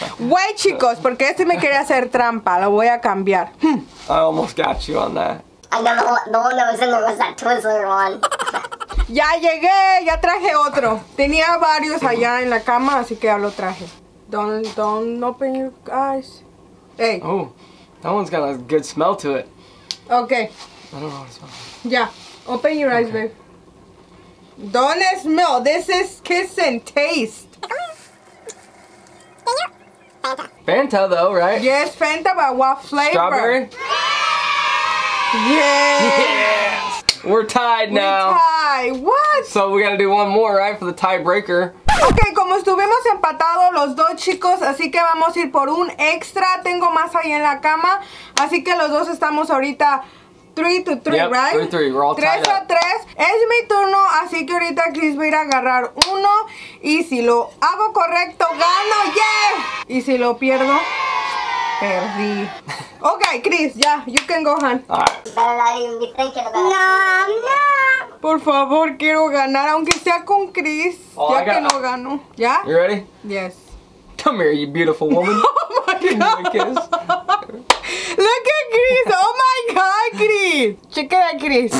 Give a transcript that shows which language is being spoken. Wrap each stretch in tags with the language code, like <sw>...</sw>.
<es>Wait, chicos, porque este me quería hacer trampa. Lo voy a cambiar.</es> <en>I almost got you on that. I know the one that was in there was that Twizzler one.</en> <es>Ya llegué, ya traje otro. Tenía varios allá en la cama, así que ya lo traje.</es> <en>Don't open your eyes. Hey. Oh, that one's got a good smell to it. Okay. I don't know how to smell. Yeah, open your eyes, babe. Don't smell, this is kiss and taste. Fanta. Fanta though, right? Yes, Fanta, but what flavor? Strawberry? Yes! We're tied now. We're tied. What? So we gotta do one more, right, for the tiebreaker.</en> <es>Ok, como estuvimos empatados los dos chicos, así que vamos a ir por un extra. Tengo más ahí en la cama. Así que los dos estamos ahorita 3-3,</es> <en>yep, right? 3-3.</en> <es>Es mi turno, así que ahorita Chris va a ir a agarrar uno. Y si lo hago correcto, gano, yeah. Y si lo pierdo, perdí.</es> <en>Ok, Chris, ya, yeah, you can go, hon.</en> <es>No, no. Por favor, quiero ganar, aunque sea con Chris. All ya que no gano. ¿Ya?</es> <en>You ready? Yes. Come here, you beautiful woman. Oh my God. Look at Chris. Oh my God, Chris.</en> <es>Chica de Chris.</es>